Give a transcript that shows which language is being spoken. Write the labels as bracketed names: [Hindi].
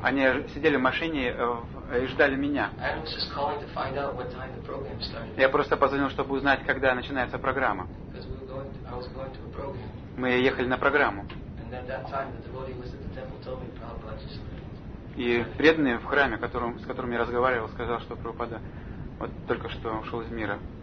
[Russian] Они сидели в машине и ждали меня. [English] I was just calling to find out what time the program started. [Russian] Я просто позвонил, чтобы узнать, когда начинается программа. [English] Because we were going to, I was going to a program. [Russian] Мы ехали на программу. [English] And at that time, the devotee was at the temple told me Prabhupada just [Russian] И преданный в храме, с которым я разговаривал, сказал, что Прабхупада вот только что ушел из мира.